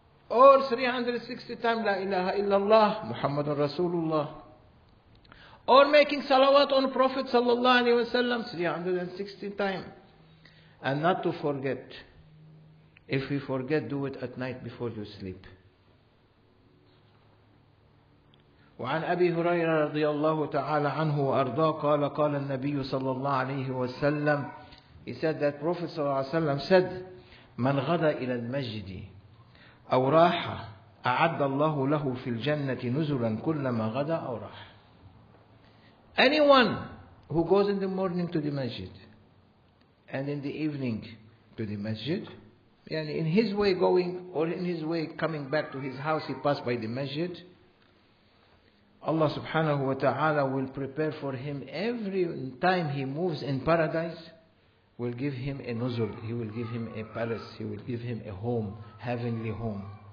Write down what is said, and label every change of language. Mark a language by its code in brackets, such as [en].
[en] Or 360 times La ilaha illallah Muhammadun Rasulullah. Or making salawat on Prophet sallallahu alayhi wa sallam 360 times. And not to forget. If we forget, do it at night before you sleep. [ar] وعن أبي هريرة رضي الله تعالى عنه وأرضاه قال قال النبي صلى الله عليه وسلم. [en] He said that Prophet [ar] صلى الله عليه وسلم [en] said, [ar] من غدا إلى المسجد أو راح أعد الله له في الجنة نزلا كلما غدا أو راح. [en] Anyone who goes in the morning to the masjid and in the evening to the masjid, yani in his way going or in his way coming back to his house, he passed by the masjid, Allah subhanahu wa ta'ala will prepare for him every time he moves in paradise, will give him a nuzul, he will give him a palace, he will give him a home, heavenly home.